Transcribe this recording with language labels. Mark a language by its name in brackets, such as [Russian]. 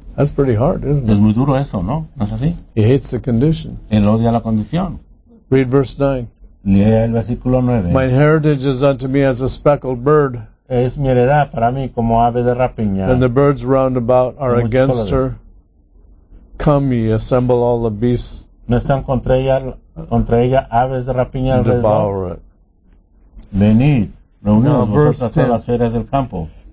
[English] That's pretty hard, isn't it? [Spanish] Es muy duro eso, ¿no? ¿No es así? [English] He hates the condition. [Spanish] Él odia la condición. [English] Read verse 9. [Spanish] Lea el versículo 9. [English] My heritage is unto me as a speckled bird. [Spanish] Es mi heredad para mí como ave de rapiña. [English] And the birds round about are against her. Come ye, assemble all the beasts. [Spanish] No están contra ella aves de rapiña alrededor. [English] Devour it. [Spanish] Venid, reunidos vosotros a todas las fieras del campo.